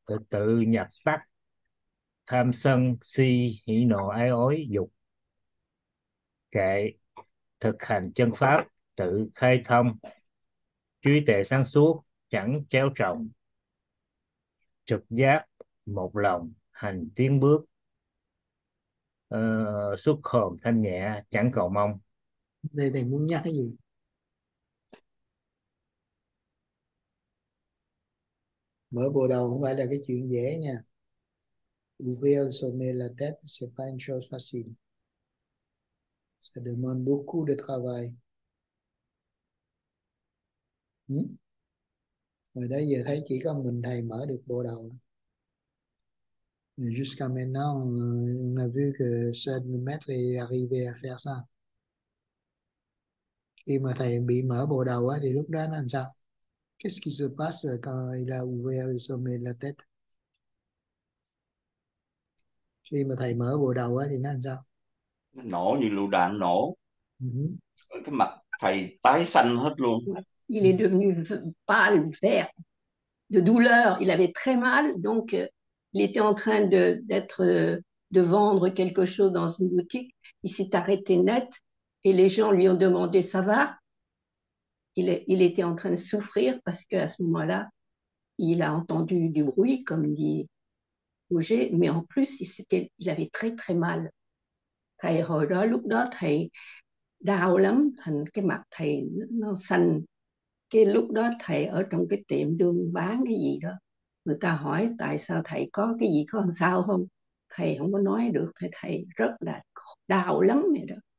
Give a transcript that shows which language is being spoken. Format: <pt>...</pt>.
<vi>Tự nhập tắc tham sân si hỷ nộ ái ối dục kệ, thực hành chân pháp tự khai thông, trí tuệ sáng suốt chẳng trao trọng, trực giác một lòng hành tiến bước, xuất hồn thanh nhẹ chẳng cầu mong. Đây thầy muốn nhắc cái gì? Mở bộ đầu không phải là cái chuyện dễ nha.</vi> <fr>Ouvrir le sommet la tête, c'est pas une chose facile. Ça demande beaucoup de travail.</fr> <vi>Rồi đó giờ thấy chỉ có mình thầy mở được bộ đầu.</vi> <fr>Jusqu'à maintenant, on a vu que seul le maître est arrivé à faire ça.</fr> <vi>Khi mà thầy bị mở bộ đầu á thì lúc đó nó làm sao?</vi> <fr>Qu'est-ce qui se passe quand il a ouvert le sommet de la tête?</fr> <vi>Khi mà thầy mở bộ đầu á thì nó làm sao? Nổ như lựu đạn nổ, cái mặt thầy tái xanh hết luôn.</vi> <fr>Il est devenu pâle, vert, de douleur. Il avait très mal, donc il était en train de vendre quelque chose dans une boutique. Il s'est arrêté net. Et les gens lui ont demandé, ça va? Il était en train de souffrir parce qu'à ce moment-là, il a entendu du bruit, comme dit Roger, mais en plus, il avait très très mal.</fr> <vi>Thầy hồi đó, lúc đó, thầy đau lắm, thành cái mặt thầy nó xanh. Cái lúc đó, thầy ở trong cái tiệm đương bán cái gì đó. Người ta hỏi tại sao thầy có cái gì, có làm sao không? Thầy không có nói được, thầy rất là đau lắm vậy đó.</vi>